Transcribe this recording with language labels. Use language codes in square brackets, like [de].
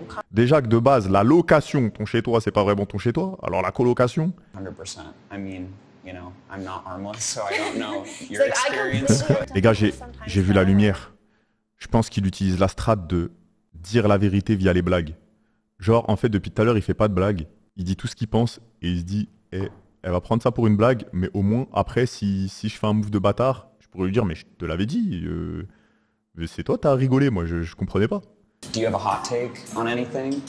[fr] Déjà que de base, la location, ton chez-toi, c'est pas vraiment ton chez-toi, alors la colocation... [en] 100%, I mean, you know, I'm not harmless, so I don't know your experience. [fr] Les gars, j'ai vu la lumière. Je pense qu'il utilise la strat de dire la vérité via les blagues. Genre, en fait, depuis tout à l'heure, il fait pas de blagues. Il dit tout ce qu'il pense et il se dit eh, elle va prendre ça pour une blague, mais au moins, après, si je fais un move de bâtard, je pourrais lui dire, mais je te l'avais dit. C'est toi, t'as rigolé, moi, je comprenais pas. [en] Do you have a hot take on anything?